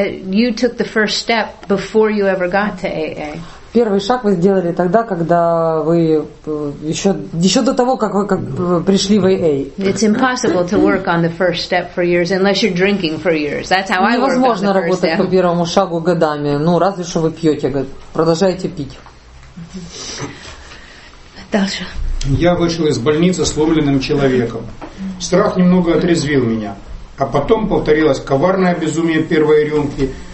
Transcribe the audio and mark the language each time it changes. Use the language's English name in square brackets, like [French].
[English] You took the first step before you ever got to AA. [Russian] Первый шаг вы сделали тогда, когда вы еще до того, как вы пришли в АА. [English] It's impossible to work on the first step for years unless you're drinking for years. That's how I worked. [Russian] Невозможно работать по первому шагу годами, ну разве что вы пьете, продолжаете пить. Дальше. Я вышел из больницы сломленным человеком. Страх немного отрезвил меня, а потом повторилось коварное безумие первой рюмки.